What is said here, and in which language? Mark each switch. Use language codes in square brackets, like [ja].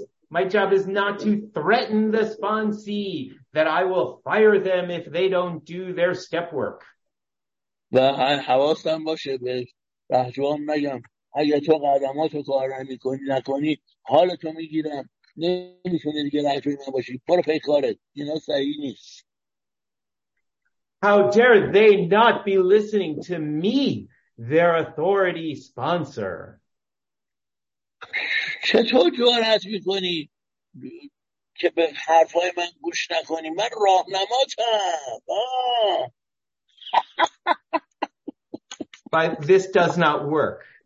[en] My job is not to threaten the sponsee that I will fire them if they don't do their step work. [fa] و حواسم باشه به رهجوام نگم اگه تو قدماتو کار نمیکنی نکنی حالتو میگیرم، نمیتونی دیگه رهجوی من باشی، برو پی کارت. اینا صحیح نیست. [en] How dare they not be listening to me, their authority sponsor? [fa] چطور جرأت میکنی که به حرفای من گوش نکنی؟ من راهنماتم. [en] But this does not work.